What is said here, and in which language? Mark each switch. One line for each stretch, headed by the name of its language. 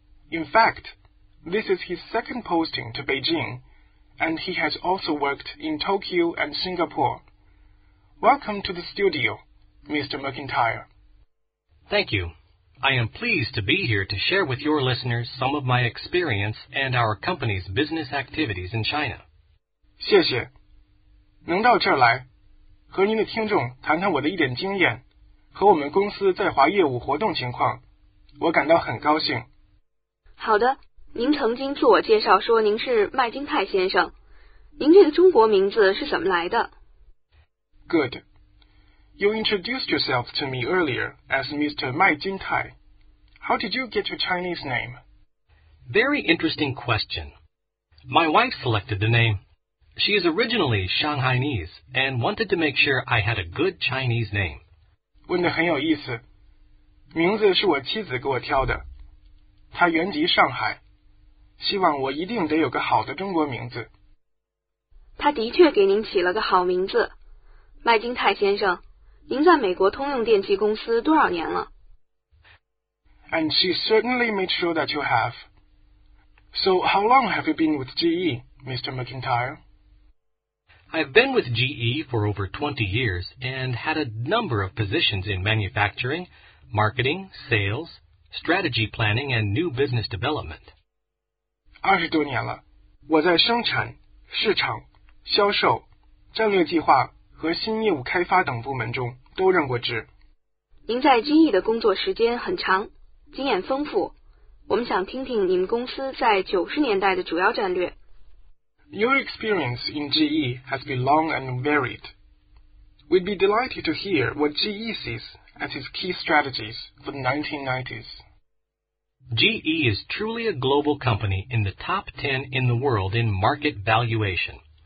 English: In fact, this is his second posting to Beijing, and he has also worked in Tokyo and Singapore. Welcome to the studio, Mr. McIntyre. Thank you. I am pleased to be here to share with your listeners some of my experience and our company's business activities in China.
Chinese: 谢谢。能到这儿来，和您的听众谈谈我的一点经验和我们公司在华业务活动情况，我感到很高兴。好的，您曾经自我介绍说您是麦金泰先生，您这个中国名字是怎么来的？
English: Good. You introduced yourself to me earlier as Mr. Mai Jintai. How did you get your Chinese name? Very interesting question. My wife selected the name. She is originally Shanghainese and wanted to make sure I had a good Chinese name.
Chinese: 问得很有意思。名字是我妻子给我挑的。她原籍上海。希望我一定得有个好的中国名字。她的确给您起了个好名字。麦金泰先生。您在美国通用电器公司多少年了？
English: And she certainly made sure that you have. So how long have you been with GE, Mr. McIntyre? I've been with GE for over 20 years and had a number of positions in manufacturing, marketing, sales, strategy planning, and new business development.
Chinese: 二十多年了，我在生产、市场、销售、战略计划和新业务开发等部门中都任过职。您在GE的工作时间很长，经验丰富。我们想听听你们公司在90年代的主要战略。
English: Your experience in GE has been long and varied. We'd be delighted to hear what GE sees as its key strategies for the 1990s. GE is truly a global company in the top 10 in the world in market valuation.